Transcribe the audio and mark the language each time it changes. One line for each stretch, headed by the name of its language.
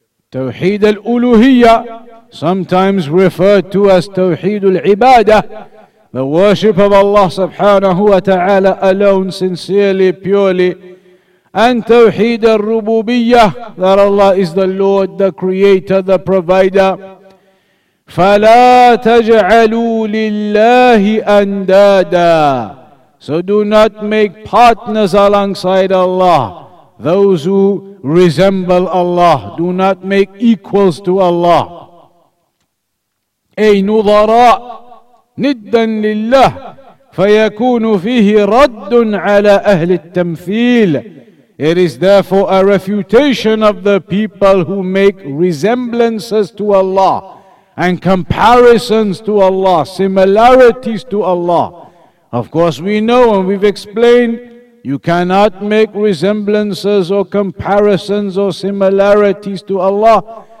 English: Tawheed al-Uluhiyyah, sometimes referred to as Tawheed al-Ibadah, the worship of Allah subhanahu wa ta'ala alone, sincerely, purely, and Tawheed al-Rububiyyah, that Allah is the Lord, the Creator, the Provider.
Arabic: فَلَا تَجْعَلُوا لِلَّهِ أَنْدَادًا.
English: So do not make partners alongside Allah those who resemble Allah. Do not make equals to Allah.
Arabic: أي نظراء ندا لله فيكون فيه رد على أهل التمثيل.
English: It is therefore a refutation of the people who make resemblances to Allah and comparisons to Allah, similarities to Allah. Of course, we know and we've explained, you cannot make resemblances or comparisons or similarities to Allah.